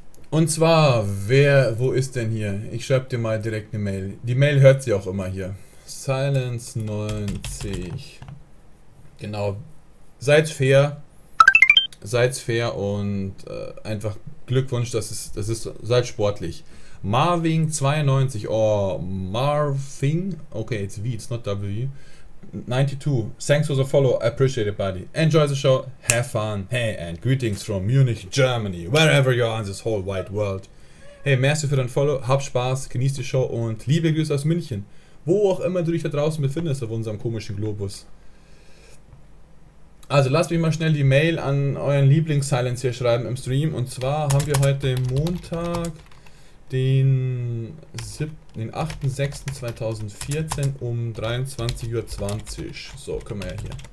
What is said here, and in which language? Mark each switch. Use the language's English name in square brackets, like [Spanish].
[German] Und zwar, wo ist denn hier? Ich schreibe dir mal direkt eine Mail. Die Mail hört sie auch immer hier. Silence 90. Genau. Seid fair und einfach Glückwunsch, das ist seid sportlich. [English] Marvin 92, oh, Marvin, okay, it's V, it's not W, 92, thanks for the follow, I appreciate it, buddy, enjoy the show, have fun, hey, and greetings from Munich, Germany, wherever you are in this whole wide world. [German] Hey, merci für dein Follow, hab Spaß, genieß die Show und liebe Grüße aus München, wo auch immer du dich da draußen befindest auf unserem komischen Globus. Also lasst mich mal schnell die Mail an euren Lieblings-Silence hier schreiben im Stream. Und zwar haben wir heute Montag, den 8.6.2014 um 23.20 Uhr. So, können wir ja hier.